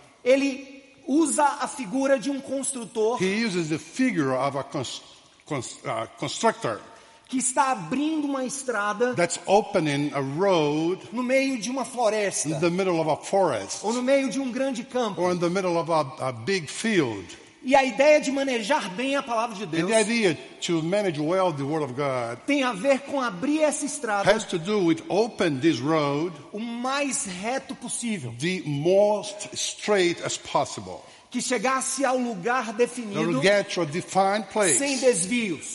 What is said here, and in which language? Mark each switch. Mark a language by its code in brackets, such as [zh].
[pt] Ele usa a figura de um construtor. [en] He uses the figure of a constructor. [pt] Que está abrindo uma estrada [en] that's opening a road [pt] no meio de uma floresta [en] in the middle of a forest [pt] ou no meio de um grande campo [en] or in the middle of a big field. [pt] E a ideia de manejar bem a palavra de Deus [en] and the idea to manage well the word of God [pt] tem a ver com abrir essa estrada [en] has to do with open this road [pt] o mais reto possível [en] the most straight as possible [pt] que chegasse ao lugar definido [en] get to a defined place [pt] sem desvios